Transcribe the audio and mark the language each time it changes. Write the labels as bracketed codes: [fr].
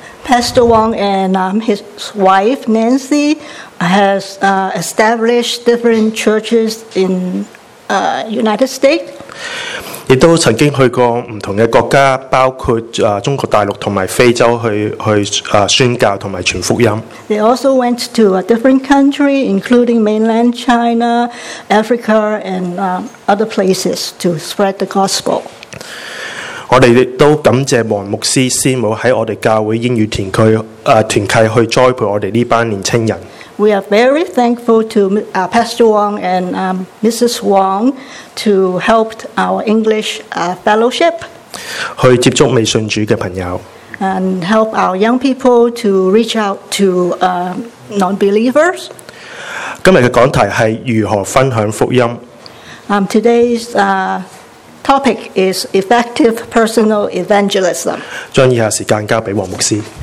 [en] Pastor Wong and his wife Nancy has established different churches in United States. [yue] 亦都曾經去過唔同嘅國家，包括中國大陸同埋非洲去宣教同埋傳福音。 [en] They also went to a different country, including mainland China, Africa, and other places to spread the gospel. [yue] 我哋亦都感謝黃牧師師母喺我哋教會英語團區團契去栽培我哋呢班年輕人。 [en] We are very thankful to Pastor Wong and Mrs. Wong to help our English fellowship. [yue] 去接觸未信主嘅朋友。 [en] And help our young people to reach out to non-believers. [yue] 今日嘅講題係如何分享福音。 [en] Today's topic is effective personal evangelism. [yue] 將以下時間交俾黃牧師。